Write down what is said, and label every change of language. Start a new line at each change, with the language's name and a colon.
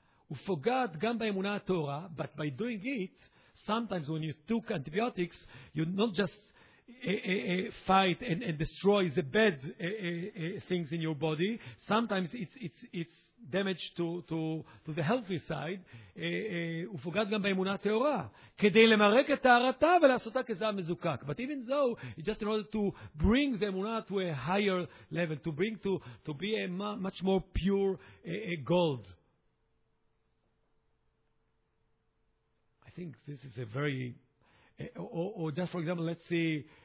Hebrew: ופוגעת גם באמונה התורה,
English: but by doing it, sometimes when you took antibiotics, you not just fight and destroy the bad things in your body. Sometimes it's damage to the healthy side.
Hebrew: ופוגעת גם באמונה התורה, כדי למרק את טהרתה ולעשותה כזעם מזוקק.
English: But even though, just in order to bring the emunah to a higher level, to bring to be a much more pure gold. I think this is a very or just for example, let's see.